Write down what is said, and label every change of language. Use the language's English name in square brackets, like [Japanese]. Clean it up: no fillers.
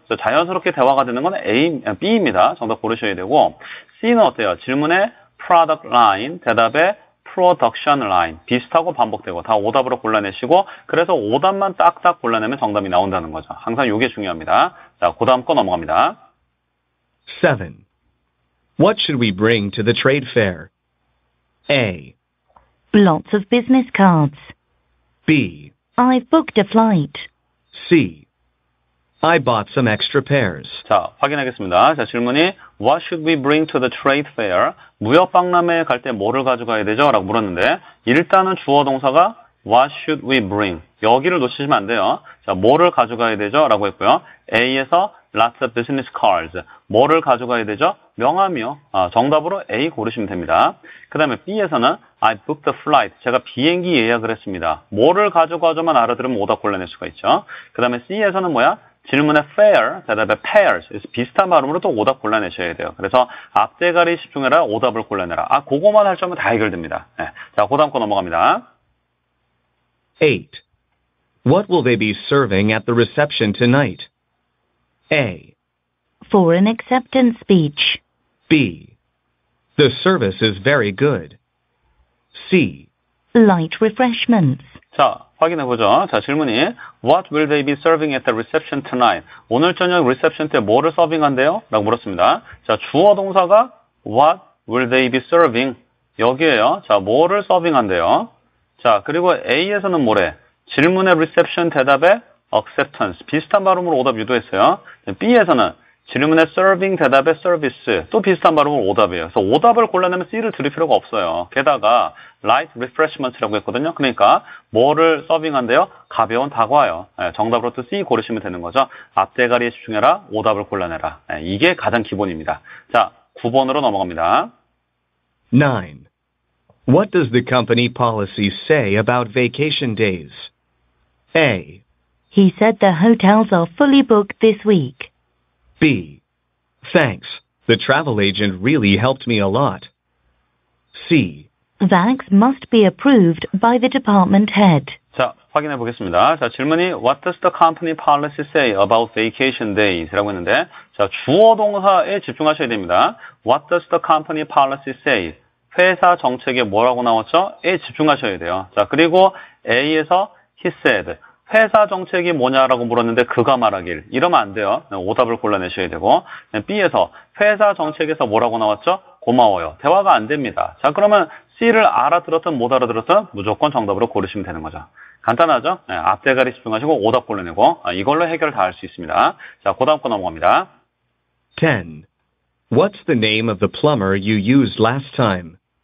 [Korean] 그래서 자연스럽게 대화가 되는 건 B입니다. 정답 고르셔야 되고 C는 어때요? 질문에 product line, 대답에 production line. 비슷하고 반복되고 다 오답으로 골라내시고 그래서 오답만 딱딱 골라내면 정답이 나온다는 거죠. 항상 이게 중요합니다. 자, 그 다음 거 넘어갑니다. [English] 7. What should we bring to the trade fair? A. Lots of business cards. B. I've booked a flight. C. I bought some extra pairs. [Korean] 자, 확인하겠습니다. 자, 질문이 [English] What should we bring to the trade fair? [Korean] 무역 박람회에 갈 때 뭐를 가져가야 되죠? 라고 물었는데 일단은 주어 동사가 [English] What should we bring? [Korean] 여기를 놓치시면 안 돼요. 자, 뭐를 가져가야 되죠? 라고 했고요. A에서 [English] Lots of business cards. [Korean] 뭐를 가져가야 되죠? 명함이요. 아, 정답으로 A 고르시면 됩니다. 그 다음에 B에서는 [English] I booked the flight. [Korean] 제가 비행기 예약을 했습니다. 뭐를 가져가죠만 알아들으면 오답 골라낼 수가 있죠. 그 다음에 C에서는 뭐야? 질문에 fair, 대답에 pairs. 비슷한 발음으로 또 오답 골라내셔야 돼요. 그래서 앞대가리 집중해라, 오답을 골라내라. 아, 그거만 할 점은 다 해결됩니다. 네. 자, 그 다음 거 넘어갑니다. [English] 8. What will they be serving at the reception tonight? A. For an acceptance speech. B. The service is very good. C. Light refreshments. [Korean] 자, 확인해 보죠. 자, 질문이 [English] What will they be serving at the reception tonight? [Korean] 오늘 저녁 reception 때 뭐를 서빙한대요? 라고 물었습니다. 자, 주어 동사가 [English] What will they be serving? [Korean] 여기에요. 자, 뭐를 서빙한대요? 자, 그리고 A에서는 뭐래? 질문의 reception 대답에 acceptance. 비슷한 발음으로 오답 유도했어요. B에서는 질문의 serving 대답의 service 또 비슷한 발음으로 오답이에요. 그래서 오답을 골라내면 C를 드릴 필요가 없어요. 게다가 light refreshments라고 했거든요. 그러니까 뭐를 서빙한대요? 가벼운 다과요. 네, 정답으로 또 C 고르시면 되는 거죠. 앞대가리에 집중해라. 오답을 골라내라. 네, 이게 가장 기본입니다. 자, 9번으로 넘어갑니다. [English] 9. What does the company policy say about vacation days? A. He said the hotels are fully booked this week. B. Thanks. The travel agent really helped me a lot. C. Vax must be approved by the department head. [Korean] 자, 확인해 보겠습니다. 자, 질문이 [English] What does the company policy say about vacation days? [Korean] 라고 했는데 자, 주어 동사에 집중하셔야 됩니다. [English] What does the company policy say? [Korean] 회사 정책에 뭐라고 나왔죠? 에 집중하셔야 돼요. 자, 그리고 A에서 [English] he said [Korean] 회사 정책이 뭐냐라고 물었는데 그가 말하길. 이러면 안 돼요. 오답을 골라내셔야 되고. B에서 회사 정책에서 뭐라고 나왔죠? 고마워요. 대화가 안 됩니다. 자, 그러면 C를 알아들었든 못 알아들었든 무조건 정답으로 고르시면 되는 거죠. 간단하죠? 네, 앞대가리 집중하시고 오답 골라내고 이걸로 해결 다할 수 있습니다. 자, 그 다음 거 넘어갑니다. [English] 10. What's the name of the plumber you used last time?